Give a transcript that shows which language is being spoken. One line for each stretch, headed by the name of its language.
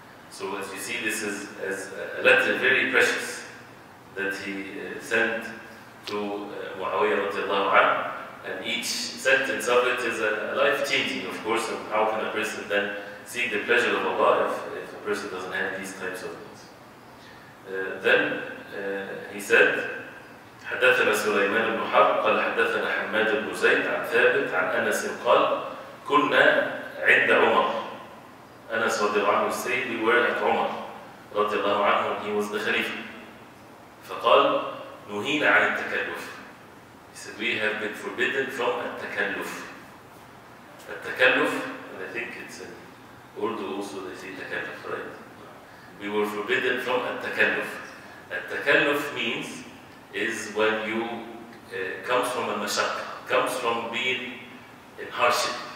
English: So as you see, this is as a letter very precious that he sent to Muawiyah radiallahu anhu, and each sentence of it is a life-changing, of course, of how can a person then seek the pleasure of Allah if a person doesn't have these types of things.
Arabic: Then he said, حدثنا سليمان بن حرب قال حدثنا حماد بن زيد عن ثابت عن أنس قال كنا عند عمر أنس رضي الله عنه said we were at عمر رضي الله عنه he was the Khalifa فقال نهينا عن التكلف.
English: He said, we have been forbidden from التكلف. التكلف, and I think it's in Urdu also they say التكلف, right? We were forbidden from التكلف. التكلف means is when you comes from a mashaq, comes from being in hardship.